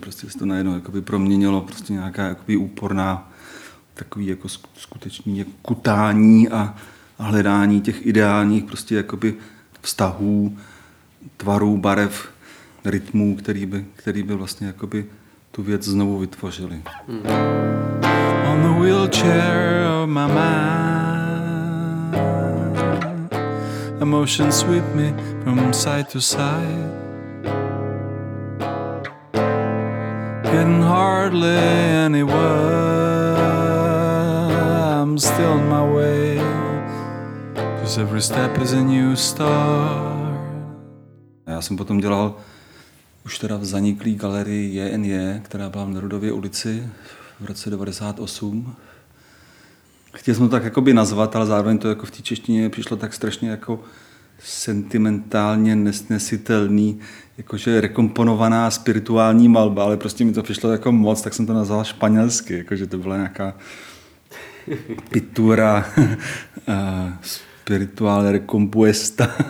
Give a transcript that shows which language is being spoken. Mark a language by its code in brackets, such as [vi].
[cs] Prostě se to najednou jakoby proměnilo prostě nějaká jakoby úporná takový jako skutečný jako kutání a hledání těch ideálních prostě jakoby vztahů, tvarů, barev, rytmů, který by vlastně jakoby tu věc znovu vytvořili. Hmm. [en] On the wheelchair of my mind, emotions sweep me from side to side. Getting hardly anywhere, I'm still on my way, 'cause every step is a new start. [cs] Já jsem potom dělal už teda v zaniklý galerii JNJ, která byla v Nerudově ulici v roce 98. Chtěl jsem to tak jakoby nazvat, ale zároveň to jako v té češtině přišlo tak strašně jako sentimentálně nesnesitelný, jakože rekomponovaná spirituální malba, ale prostě mi to přišlo jako moc, tak jsem to nazval španělsky, jakože to byla nějaká [es] pitura spiritual recompuesta.